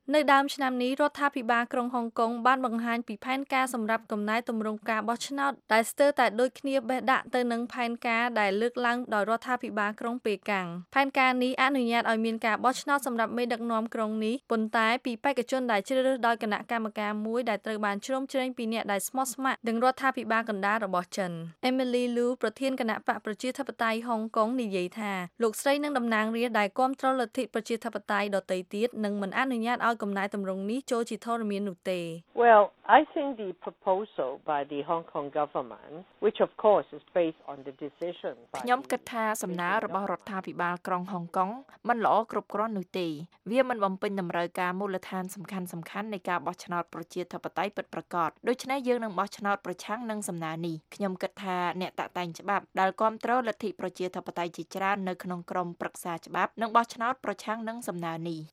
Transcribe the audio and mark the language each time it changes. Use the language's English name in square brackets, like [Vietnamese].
[Khmer] នៅដើមឆ្នាំនេះរដ្ឋាភិបាលក្រុងហុងកុងបានបង្ហាញពីផែនការសម្រាប់កំណែទម្រង់ការបោះឆ្នោតដែលស្ទើរតែដូចគ្នាបេះដាក់ទៅនឹងផែនការដែលលើកឡើងដោយរដ្ឋាភិបាលក្រុងប៉េកាំងផែនការនេះអនុញ្ញាតឲ្យមានការបោះឆ្នោតសម្រាប់មេដឹកនាំក្រុងនេះប៉ុន្តែពីបេក្ខជនដែលជ្រើសរើសដោយគណៈកម្មការមួយដែលត្រូវបានជ្រោមជ្រែងពីអ្នកដែលស្មោះស្ម័គ្រនឹងរដ្ឋាភិបាលកណ្ដាលរបស់ចិន អេមីលីលូប្រធានគណៈបកប្រជាធិបតេយ្យហុងកុងនិយាយថាលោកស្រីនឹងតំណាងរាស្ត្រដែលគ្រប់គ្រងលទ្ធិប្រជាធិបតេយ្យដទៃទៀតនឹងមិនអនុញ្ញាតឲ្យកំណែទម្រង់នេះចូលជាធរមាននោះទេ [English] Well I think the proposal by the Hong Kong government which of course is based on the decision by [Khmer] ខ្ញុំគិតថាសំណើរបស់រដ្ឋាភិបាលក្រុងហុងកុងមិនល្អគ្រប់គ្រាន់នោះទេវាមិនបំពេញតម្រូវការមូលដ្ឋានសំខាន់សំខាន់នៃការបោះឆ្នោតប្រជាធិបតេយ្យពិតប្រាកដដូច្នេះយើងនឹងបោះឆ្នោតប្រឆាំងនឹងសំណើនេះខ្ញុំគិតថាអ្នកតតែងច្បាប់ដែលគ្រប់គ្រងលទ្ធិប្រជាធិបតេយ្យជាច្រើននៅក្នុងក្រមប្រឹក្សាច្បាប់នឹងបោះឆ្នោតប្រឆាំងនឹងសំណើនេះ